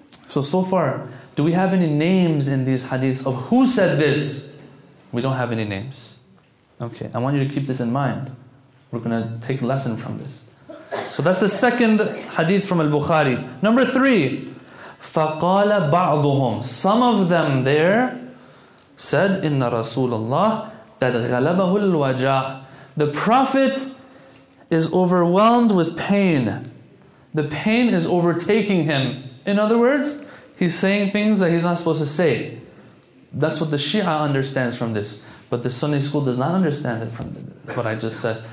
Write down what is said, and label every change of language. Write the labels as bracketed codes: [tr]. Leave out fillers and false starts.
[en] So far, do we have any names in these hadiths of who said this? We don't have any names. Okay, I want you to keep this in mind. We're going to take a lesson from this. So that's the second hadith from Al-Bukhari. Number three, فَقَالَ بَعْضُهُمْ. [ar] Some of them there said, إِنَّ رَسُولَ اللَّهِ قَدْ غَلَبَهُ الْوَجَعُ. [en] The Prophet is overwhelmed with pain. The pain is overtaking him. In other words, he's saying things that he's not supposed to say. That's what the Shia understands from this. But the Sunni school does not understand it from what I just said.